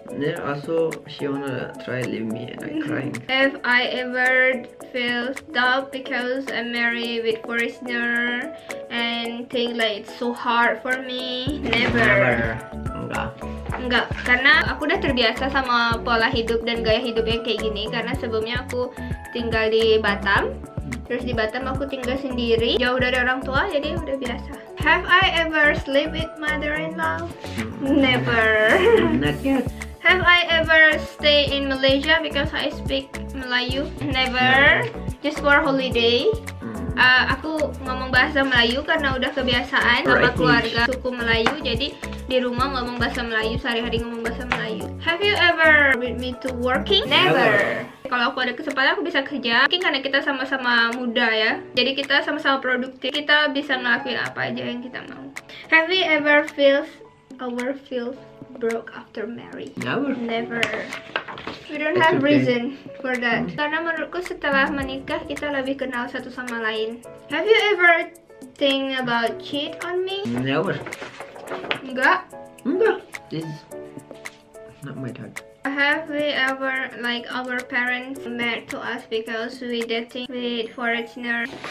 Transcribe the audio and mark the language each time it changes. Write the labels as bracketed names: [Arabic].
[English] Then also she wanna try leave me and I crying. Have I ever feel doubt because I'm married with foreigner and think like it's so hard for me? Never. [Indonesian] Enggak, karena aku udah terbiasa sama pola hidup dan gaya hidup yang kayak gini. Karena sebelumnya aku tinggal di Batam. Terus di Batam aku tinggal sendiri, jauh dari orang tua, jadi udah biasa. [English] Have I ever sleep with mother-in-law? Never. Not yet. Have I ever stay in Malaysia because I speak Melayu? Never. No. Just for holiday. [Indonesian] Aku ngomong bahasa Melayu karena udah kebiasaan sama keluarga suku Melayu. Jadi di rumah ngomong bahasa Melayu, sehari-hari ngomong bahasa Melayu. [English] Have you ever with me to working? Never. [Indonesian] Kalau aku ada kesempatan aku bisa kerja. Mungkin karena kita sama-sama muda ya. Jadi kita sama-sama produktif. Kita bisa ngelakuin apa aja yang kita mau. [English] Have we ever feels our feels broke after marriage? Never. We don't have reason for that. [Indonesian] Karena menurutku setelah menikah kita lebih kenal satu sama lain. [English] Have you ever think about cheat on me? Never. [Indonesian] Enggak. [English] This is not my type. Have we ever like our parents mad to us because we dating with foreigner?